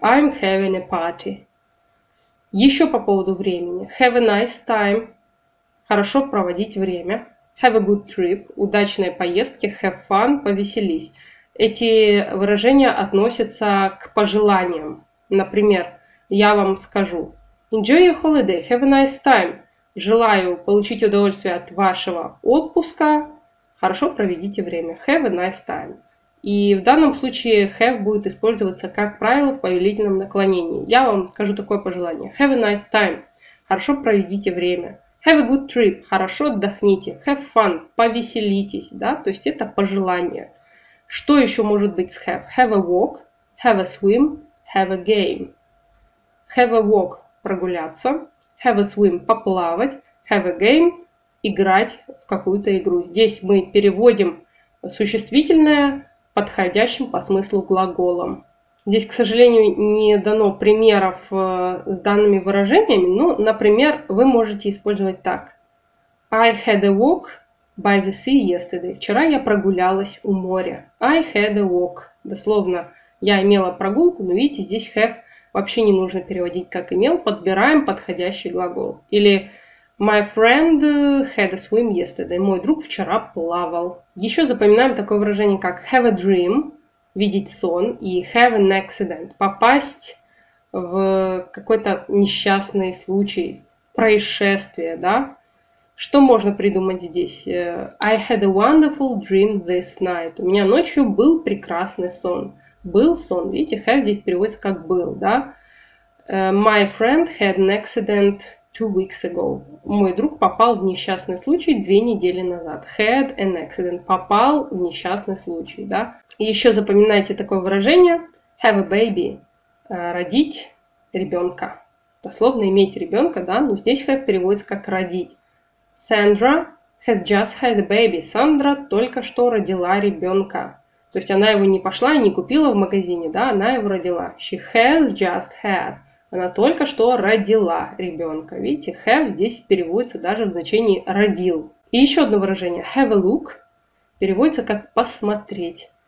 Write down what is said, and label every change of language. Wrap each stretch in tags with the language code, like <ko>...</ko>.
<en>I'm having a party.</en> <ru>Еще по поводу времени.</ru> <en>Have a nice time.</en> <ru>Хорошо проводить время.</ru> <en>Have a good trip.</en> <ru>Удачной поездки.</ru> <en>Have fun.</en> <ru>Повеселись. Эти выражения относятся к пожеланиям. Например, я вам скажу</ru> <en>enjoy your holiday, have a nice time.</en> <ru>Желаю получить удовольствие от вашего отпуска. Хорошо проведите время.</ru> <en>Have a nice time.</en> <ru>И в данном случае have будет использоваться, как правило, в повелительном наклонении. Я вам скажу такое пожелание.</ru> <en>Have a nice time.</en> <ru>Хорошо проведите время.</ru> <en>Have a good trip.</en> <ru>Хорошо отдохните.</ru> <en>Have fun.</en> <ru>Повеселитесь. Да? То есть это пожелание. Что еще может быть с have?</ru> <en>Have a walk. Have a swim. Have a game. Have a walk –</en> <ru>прогуляться.</ru> <en>Have a swim –</en> <ru>поплавать.</ru> <en>Have a game</en> <ru>– играть в какую-то игру. Здесь мы переводим существительное подходящим по смыслу глаголом. Здесь, к сожалению, не дано примеров с данными выражениями. Но, например, вы можете использовать так.</ru> <en>I had a walk by the sea yesterday.</en> <ru>Вчера я прогулялась у моря.</ru> <en>I had a walk</en> <ru>– дословно. Я имела прогулку, но видите, здесь have вообще не нужно переводить как имел, подбираем подходящий глагол.</ru> <en>Или my friend had a swim yesterday.</en> <ru>Мой друг вчера плавал. Еще запоминаем такое выражение, как have a dream, видеть сон, и have an accident, попасть в какой-то несчастный случай, происшествие, да? Что можно придумать здесь?</ru> <en>I had a wonderful dream this night.</en> <ru>У меня ночью был прекрасный сон. Был сон. Видите, have здесь переводится как был, да?</ru> <en>My friend had an accident 2 weeks ago.</en> <ru>Мой друг попал в несчастный случай 2 недели назад.</ru> <en>Had an accident.</en> <ru>Попал в несчастный случай, да? Еще запоминайте такое выражение.</ru> <en>Have a baby.</en> <ru>Родить ребенка. Дословно иметь ребенка, да? Но здесь have переводится как родить.</ru> <en>Sandra has just had a baby.</en> <ru>Сандра только что родила ребенка. То есть она его не пошла и не купила в магазине, да, она его родила.</ru> <en>She has just had.</en> <ru>Она только что родила ребенка. Видите, have здесь переводится даже в значении родил. И еще одно выражение. Have a look переводится как посмотреть.</ru>